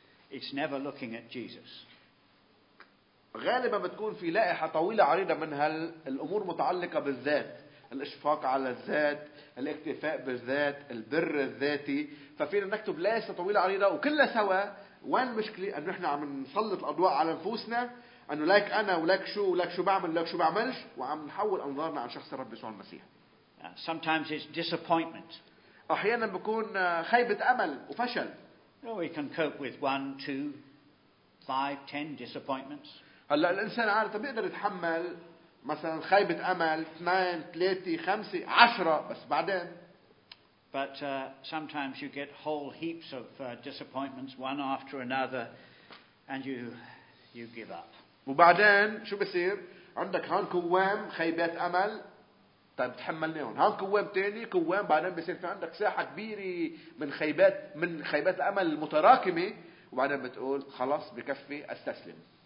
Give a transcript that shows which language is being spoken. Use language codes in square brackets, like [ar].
[en] It's never looking at Jesus. [ar] غالبا بتكون في لائحة طويلة عريضة من هالأمور متعلقة بالذات، الإشفاق على الذات، الاكتفاء بالذات، البر الذاتي. ففينا نكتب لائحة طويلة عريضة وكلها سوا. وين المشكلة؟ أنه إحنا عم نسلط الأضواء على نفوسنا، أنه لايك أنا ولايك شو ولايك شو بعمل ولايك شو بعملش، وعم نحول أنظارنا عن شخص الرب يسوع المسيح. [en] Sometimes it's disappointment. [ar] أحيانا بكون خيبة أمل وفشل. [en] No, we can cope with 1, 2, 5, 10 disappointments. [ar] هلا الإنسان عادة بيقدر يتحمل مثلا خيبة أمل 2, 3, 5, 10، بس بعدين. [en] But sometimes you get whole heaps of disappointments one after another, and you give up. [ar] وبعدين شو بصير؟ عندك هان كوام خيبات أمل، طيب تحملناهم، هان كوام تاني كوام، بعدين بصير في عندك ساحة كبيرة من خيبات الأمل المتراكمة، وبعدين بتقول خلاص بكفي استسلم.